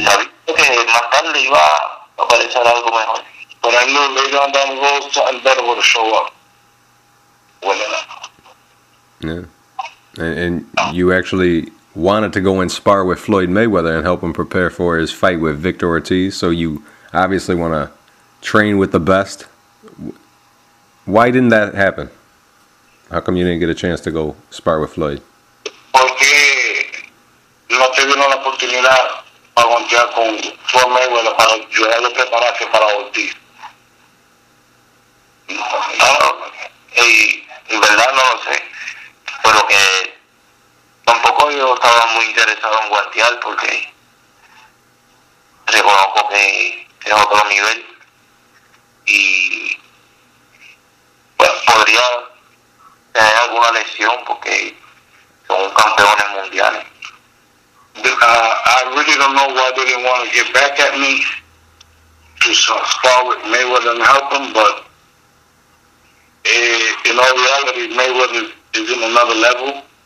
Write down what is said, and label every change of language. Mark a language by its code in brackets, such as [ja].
[es] Y sabía que más tarde iba a aparecer algo mejor. [en] But I knew later on down the road something better would show up. Yeah. And you actually wanted to go and spar with Floyd Mayweather and help him prepare for his fight with Victor Ortiz. So you obviously want to train with the best. Why didn't that happen? How come you didn't get a chance to go spar with Floyd? [es] Porque no te dieron la oportunidad para contar con Floyd Mayweather para ayudarlo a prepararse para Ortiz. En verdad no lo sé, pero que tampoco yo estaba muy interesado en guardiar porque reconozco que es otro nivel y pues podría tener alguna lesión porque [en] I really don't know why they didn't want to get back at me to spar with Mayweather and help him, but in all reality, Mayweather is in another level.